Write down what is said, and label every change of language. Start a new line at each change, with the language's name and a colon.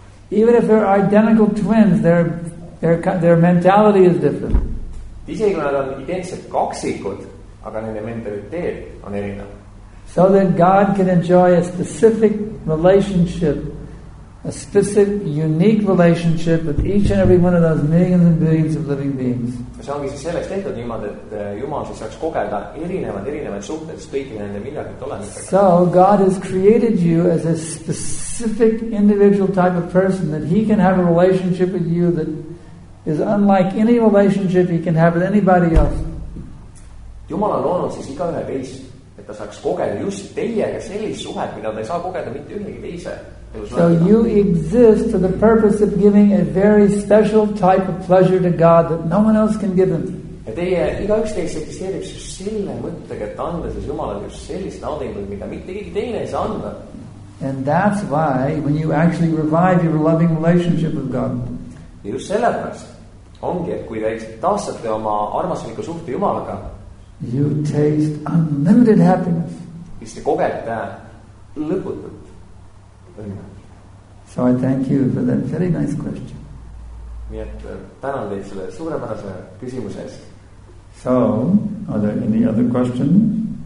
English: Even if they're identical twins, their mentality is different.
Estonian: Isegi kui nad on identsed kaksikud, aga nende mentaliteet on erinev.
English: So that God can enjoy a specific relationship, a specific, unique relationship with each and every one of those millions and billions of living beings.
Estonian: See ongi siis selleks tehtud niimoodi, et Jumal siis saaks kogeda erinevad suhted, kõik nende miljardit olemisega.
English: So God has created you as a specific individual type of person that he can have a relationship with you that is unlike any relationship he can have with anybody else.
Estonian: Jumal on loonud siis iga ühe teist, et ta saaks kogeda just teiega sellist suhet, mida ta ei saa kogeda mitte ühegi teise.
English: So you exist for the purpose of giving a very special type of pleasure to God that no one else can give him.
Estonian: Ja teie igaüks teist eksisteerib just selle mõttega, et anda siis Jumalale just sellist naudingut, mida mitte keegi teine ei saa anda.
English: And that's why when you actually revive your loving relationship with God.
Estonian: Ja just sellepärast ongi, et kui te taastate oma armasliku suhte Jumalaga,
English: you taste unlimited happiness.
Estonian: Siis te kogete lõputult.
English: So I thank you for that very nice question.
Estonian: Nii et tänan teid selle suurepärase küsimuse eest.
English: So, are there any other questions?